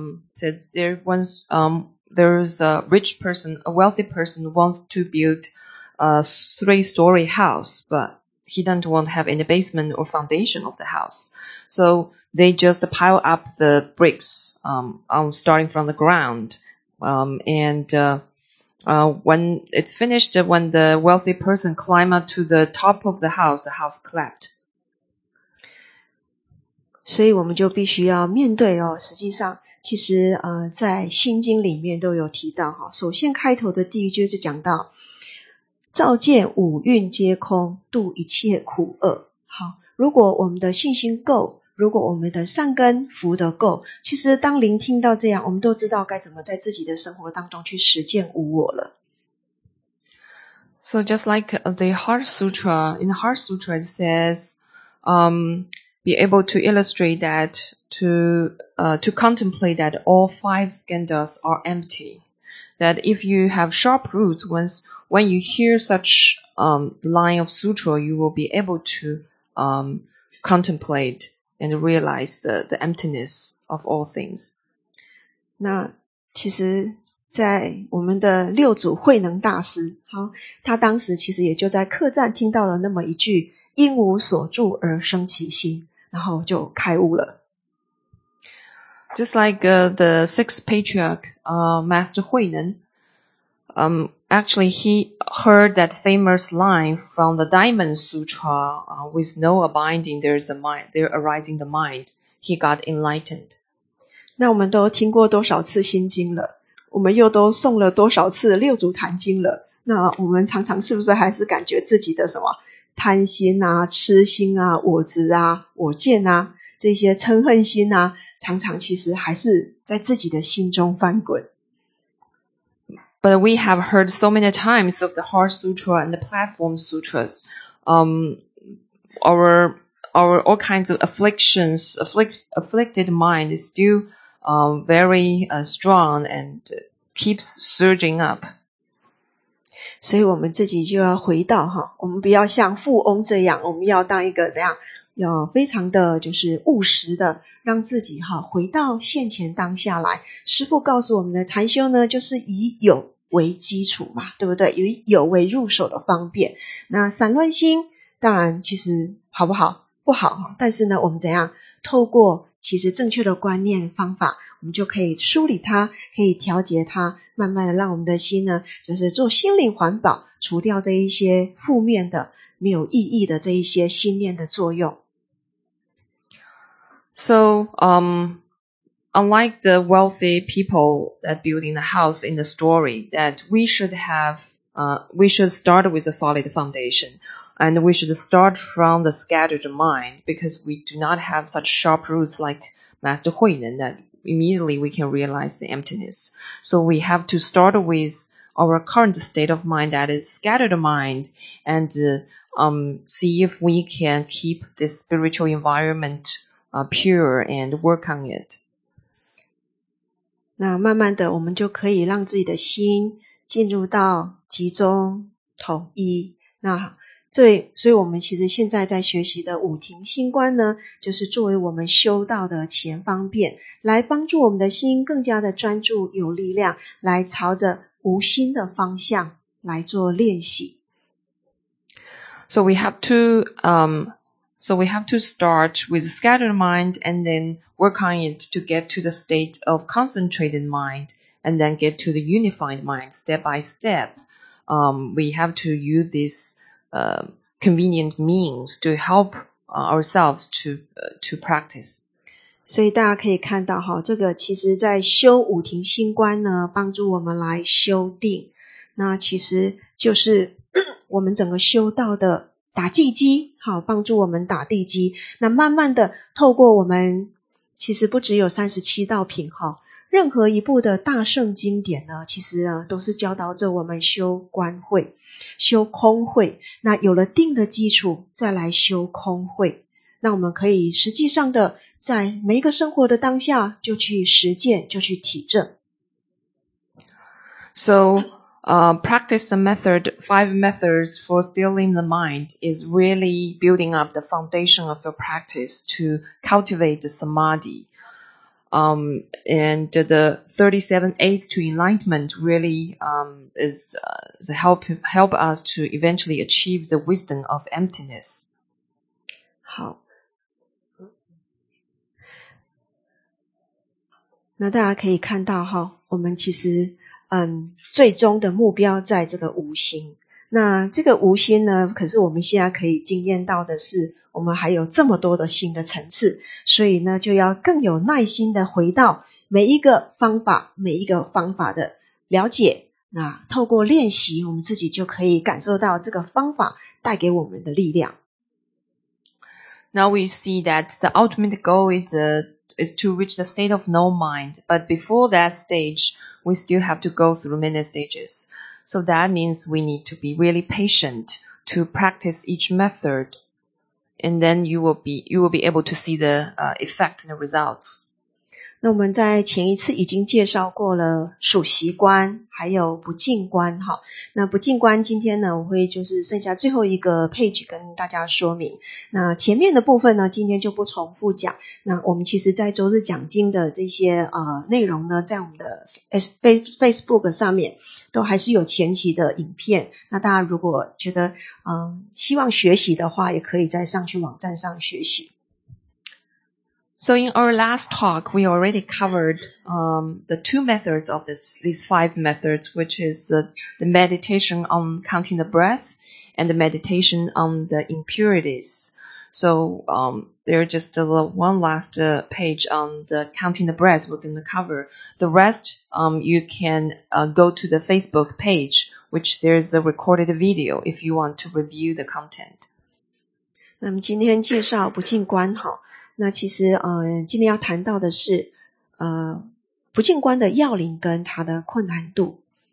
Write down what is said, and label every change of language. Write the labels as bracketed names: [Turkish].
[English] Said there once there's a rich person, a wealthy person wants to build a three-story house, but he doesn't want to have any basement or foundation of the house. So,They just pile up the bricks starting from the ground, and When it's finished, when the wealthy person climbed up to the top of the house clapped. [Chinese] 所以我们就必须要面对哦，实际上其实在心经里面都有提到哈，首先开头的第一句就讲到，照见五蕴皆空，度一切苦厄。好，如果我们的信心够，如果我们的善根福德够，其实当聆听到这样，我们都知道该怎么在自己的生活当中去实践无我了。 [English] So just like the Heart Sutra, in the Heart Sutra it says, be able to illustrate that to contemplate that all five skandhas are empty. That if you have sharp roots, when you hear such line of sutra, you will be able to contemplate and realize the emptiness of all things. [Chinese] 那其实在我们的六祖慧能大师，好，他当时其实也就在客栈听到了那么一句，因无所住而生其心。然后就开悟了。 [English] Just like the sixth patriarch, Master Huineng, actually he heard that famous line from the Diamond Sutra, with no abiding there's a mind, there arising the mind, he got enlightened. [Chinese] 那我们都听过多少次心经了，我们又都诵了多少次六祖坛经了，那我们常常是不是还是感觉自己的什么贪心啊，痴心啊，我执啊，我见啊，这些嗔恨心啊，常常其实还是在自己的心中翻滚。 [English] But we have heard so many times of the Heart Sutra and the Platform Sutras, our all kinds of afflictions, afflicted mind is still very strong and keeps surging up. [Chinese] 所以我们自己就要回到哈，我们不要像富翁这样，我们要当一个怎样，要非常的就是务实的，让自己哈回到现前当下来。师父告诉我们的禅修呢，就是以有为基础嘛，对不对？以有为入手的方便。那散乱心，当然其实好不好？不好哈。但是呢，我们怎样透过其实正确的观念方法，我们就可以梳理它，可以调节它，慢慢的让我们的心呢，就是做心灵环保，除掉这一些负面的、没有意义的这一些心念的作用。 [English] So, unlike the wealthy people that building the house in the story, that we should have, we should start with a solid foundation, and we should start from the scattered mind, because we do not have such sharp roots like Master Huineng that. Immediately we can realize the emptiness. So we have to start with our current state of mind that is scattered mind and see if we can keep this spiritual environment pure and work on it. [Chinese] 那慢慢的我们就可以让自己的心进入到集中统一。那对，所以我们其实现在在学习的五庭心观呢，就是作为我们修道的前方便，来帮助我们的心更加的专注有力量，来朝着无心的方向来做练习。 [English] So we have to, start with scattered mind and then work on it to get to the state of concentrated mind and then get to the unified mind step by step. We have to use thisconvenient means to help ourselves to practice. [Chinese] 所以大家可以看到哈，这个其实在修五庭心观呢，帮助我们来修定，那其实就是我们整个修道的打地基，好，帮助我们打地基。那慢慢的透过我们，其实不只有37道品哈，任何一部的大圣经典呢，其实呢都是教导着我们修观慧、修空慧。那有了定的基础，再来修空慧，那我们可以实际上的在每一个生活的当下就去实践，就去体证。 [English] So, practice the method, five methods for stilling the mind is really building up the foundation of your practice to cultivate the samadhi. And the 37 aids to enlightenment really help us to eventually achieve the wisdom of emptiness. [Chinese] 好，那大家可以看到哈，我们其实最终的目标在这个无心。那这个无心呢，可是我们现在可以经验到的是，我们还有这么多的新的层次，所以呢，就要更有耐心的回到每一个方法，每一个方法的了解。那透过练习，我们自己就可以感受到这个方法带给我们的力量。 [English] Now we see that the ultimate goal is to reach the state of no mind. But before that stage, we still have to go through many stages. So that means we need to be really patient to practice each method. And then you will be able to see the effect and the results. [Chinese] 那我们在前一次已经介绍过了数息观还有不净观。好，那不净观今天呢，我会就是剩下最后一个 page 跟大家说明。那前面的部分呢，今天就不重复讲。那我们其实在周日讲经的这些内容呢，在我们的 Facebook 上面都还是有前期的影片。那大家如果觉得希望学习的话，也可以再上去网站上学习。 [English] So in our last talk, we already covered the two methods of these five methods, which is the meditation on counting the breath and the meditation on the impurities. So there's just one last page on the counting the breath we're going to cover. The rest, you can go to the Facebook page, which there's a recorded video if you want to review the content. [Chinese] 那么今天介绍不净观好。那其实今天要谈到的是不净观的要领跟它的困难度。